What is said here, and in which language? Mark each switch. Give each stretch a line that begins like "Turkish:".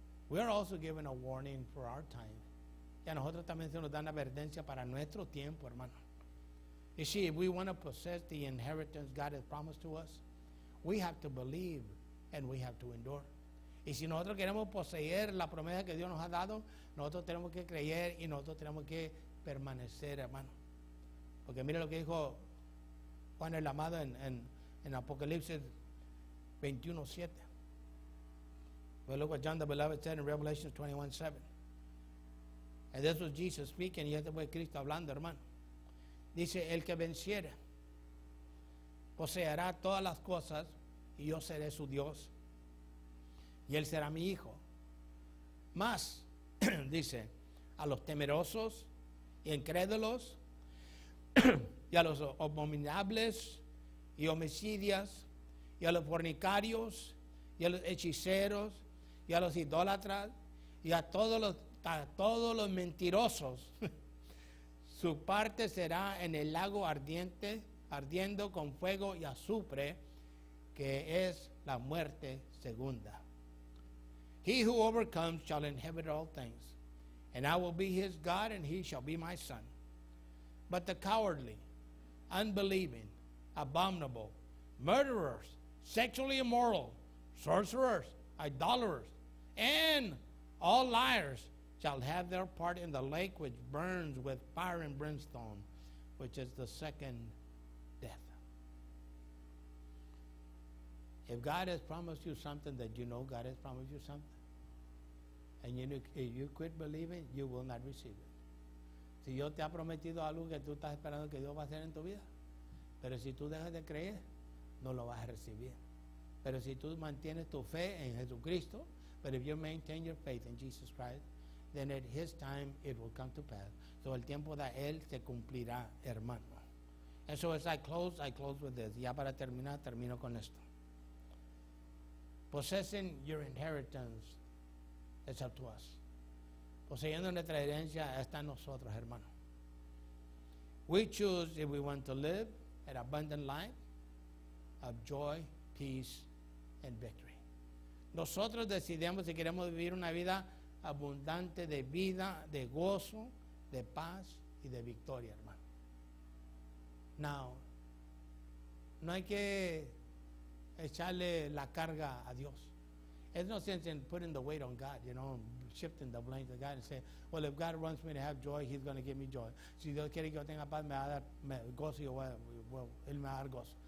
English: We are also given a warning for our time.
Spanish: Y a nosotros también se nos da una advertencia para nuestro tiempo, hermano.
English: You see, if we want to possess the inheritance God has promised to us, we have to believe and we have to endure.
Spanish: Y si nosotros queremos poseer la promesa que Dios nos ha dado, nosotros tenemos que creer y nosotros tenemos que permanecer, hermano. Porque mire lo que dijo Juan el Amado en Apocalipsis 21:7.
English: But look what John the Beloved said in Revelation 21:7. And this was Jesus speaking,
Spanish: y este fue Cristo hablando, hermano. Dice, el que venciere poseerá todas las cosas, y yo seré su Dios, y él será mi hijo. Mas, dice, a los temerosos y incrédulos, y a los abominables y homicidas, y a los fornicarios, y a los hechiceros, y a los idólatras, y a todos los mentirosos, su parte será en el lago ardiente, ardiendo con fuego y azufre, que es la muerte segunda.
English: He who overcomes shall inherit all things, and I will be his God, and he shall be my son. But the cowardly, unbelieving, abominable, murderers, sexually immoral, sorcerers, idolaters, and all liars shall have their part in the lake which burns with fire and brimstone, which is the second death. If God has promised you something, that you know God has promised you something, and you quit believing, you will not receive it.
Spanish: Si Dios te ha prometido algo que tú estás esperando que Dios va a hacer en tu vida, pero si tú dejas de creer, no lo vas a recibir. Pero si tú mantienes tu fe en Jesucristo,
English: but if you maintain your faith in Jesus Christ, then at his time it will come to pass.
Spanish: So el tiempo de él se cumplirá, hermano.
English: And so as I close with this.
Spanish: Ya para terminar, termino con esto.
English: Possessing your inheritance is up to us.
Spanish: Poseyendo nuestra herencia está en nosotros, hermano.
English: We choose if we want to live an abundant life of joy, peace, and victory.
Spanish: Nosotros decidimos si queremos vivir una vida abundante de vida, de gozo, de paz y de victoria, hermano. Now, no hay que echarle la carga a Dios.
English: There's no sense in putting the weight on God, you know, shifting the blame to God and say, well, if God wants me to have joy, he's going to give me joy.
Spanish: Si Dios quiere que yo tenga paz, me va a dar gozo, él me va a dar gozo.